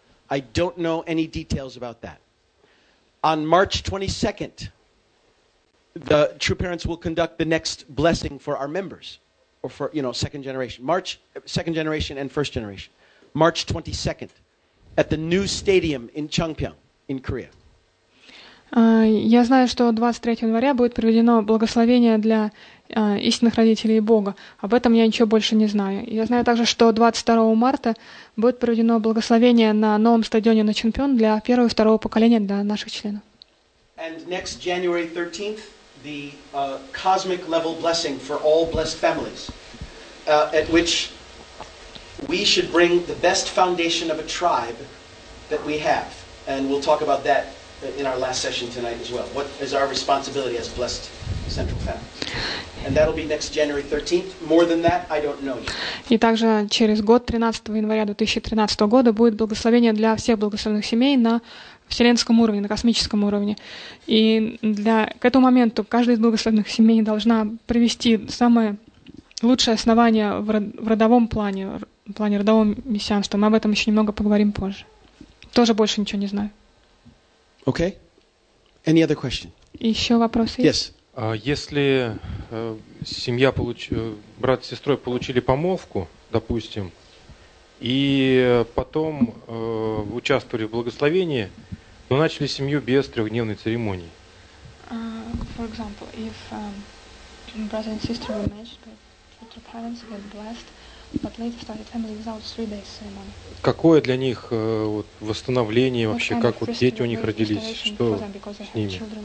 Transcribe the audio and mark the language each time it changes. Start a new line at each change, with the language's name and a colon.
English: I don't know any details about that. On March 22nd, the True Parents will conduct the next blessing for our members, or for, you know, second generation. March, second generation and first generation. March 22nd at the new stadium in Cheongpyeong in Korea.
Russian: Я знаю, что 23 января будет проведено благословение для истинных родителей Бога. Об этом я ничего больше не знаю. Я знаю также, что 22 марта будет проведено благословение на новом стадионе на Чемпион для первого и второго поколения для наших членов.
English: And next January 13th, the cosmic level blessing for all blessed families, at which we should bring the best foundation of a tribe that we have. And we'll talk about that in our last session tonight as well. What is our responsibility as blessed Central Family? And that'll be next January 13th. More than that, I don't know yet.
Russian: И также через год, 13 января 2013 года, будет благословение для всех благословенных семей на вселенском уровне, на космическом уровне. И для, к этому моменту каждая из благословенных семей должна привести самое лучшее основание в родовом плане, в плане родового мессианства. Мы об этом еще немного поговорим позже. Тоже больше ничего не знаю.
English: Okay. Any other question?
Russian: Еще вопросы есть?
English: Yes.
Russian: Если семья брат с сестрой получили помолвку, допустим, и потом участвовали в благословении, но начали семью без трехдневной церемонии.
English: For example, if brother and sister were matched, but their parents got blessed, but later started family without 3 days ceremony.
Russian: Какое для них вот восстановление вообще, как вот дети у них родились, что с ними?